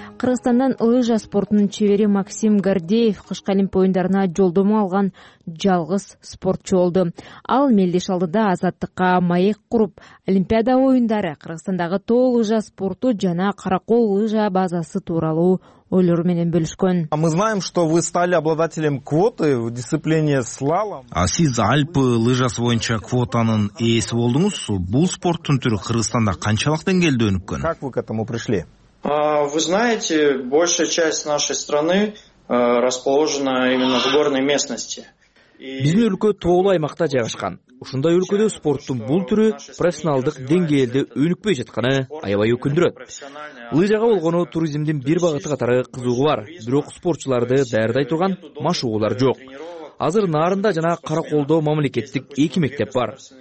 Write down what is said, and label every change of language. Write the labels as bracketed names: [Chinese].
[Kyrgyz] Кыргызстандан лыжа спортунун чевери Максим Гордеев кышкы олимп оюндарына жолдомо алган жалгыз спортчу болду. Ал мелдеш алдыда азаттыкка маек куруп, олимпиада оюндары, Кыргызстандагы тоо лыжа спорту жана каракол лыжа базасы тууралуу ойлор менен бөлүшкөн. [Russian] Мы знаем, что вы стали обладателем квоты в дисциплине слалом. [Kyrgyz] А сиз Альпы лыжасы боюнча квотанын ээси болдуңуз. Бул спорттун түрү Кыргызстанда канчалык деңгээлде өнүккөн? [Russian] Как вы к этому пришли? Вы знаете, большая часть нашей страны расположена именно в горной местности. [Kyrgyz] Биздин өлкө тоолуу аймакта жайгашкан. Ушундай өлкөдө спорттун бул түрү профессионалдык деңгээлде өнүкпөй жатканы аябай өкүндүрөт. Лыжага болгону туризмдин бир багыты катары кызыгы бар, бирок спортчуларды даярдай турган машыгуулар жок. Азыр Нарында жана Караколдо мамлекеттик 2 мектеп бар.